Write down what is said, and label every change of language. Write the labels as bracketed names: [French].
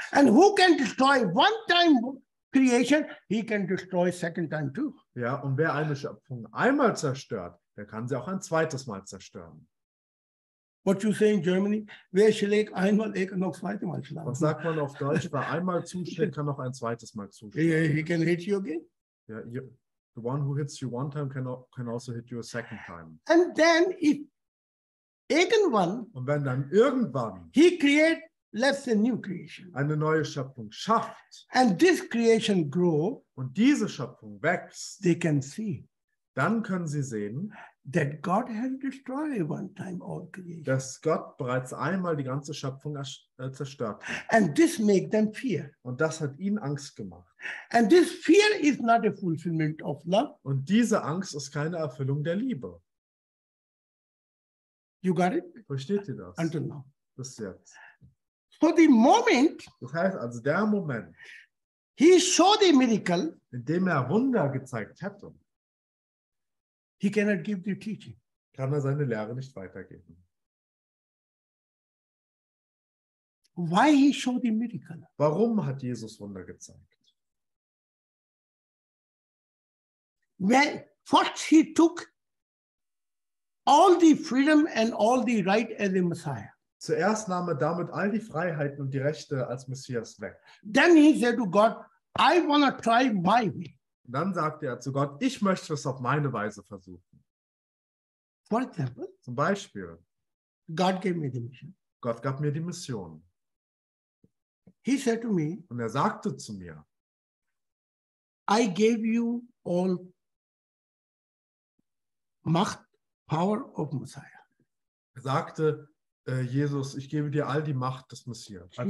[English] And who can destroy one time creation, he can destroy second time too. [German] Ja, und wer eine Schöpfung einmal zerstört, der kann sie auch ein zweites Mal zerstören. [English] What you say in Germany? [German] Wer schlägt einmal, er kann noch zweites Mal schlagen. Was sagt man auf Deutsch? Wer einmal zuschlägt, kann noch ein zweites Mal zuschlagen. [English] He can hit you again. Ja, the one who hits you one time can also hit you a second time. And then if irgendwann, [German] und wenn dann irgendwann [English] he create, let's say, new creation, [German] eine neue Schöpfung schafft [English] and this creation grow, [German] und diese Schöpfung wächst, [English] they can see, [German] dann können sie sehen, [English] that God has destroyed one time all creation, [German] dass Gott bereits einmal die ganze Schöpfung zerstört hat. [English] And this make them fear. [German] Und das hat ihnen Angst gemacht. [English] And this fear is not a fulfillment of love. [German] Und diese Angst ist keine Erfüllung der Liebe. [English] You got it? [German] Versteht ihr das? [English] Until now. [German] Bis jetzt. [English] So the moment, [German] das heißt also der Moment, [English] he showed the miracle, [German] in dem er Wunder gezeigt hätte, [English] he cannot give the teaching. [German] Kann er seine Lehre nicht weitergeben. [English] Why he showed the miracle? [German] Warum hat Jesus Wunder gezeigt? [English] Well, first he took all the freedom and all the right as the Messiah. [German] Zuerst nahm er damit all die Freiheiten und die Rechte als Messias weg. [English] Then he said to God, I wanna try my way. [German] Dann sagte er zu Gott, ich möchte es auf meine Weise versuchen. [English] For example, [German] zum Beispiel, [English] God gave me the mission. [German] Gott gab mir die Mission. [English] He said to me, [German] und er sagte zu mir, [English] I gave you all Macht, Power of Messiah. [German] Er sagte, Jesus, ich gebe dir all die Macht des Messias.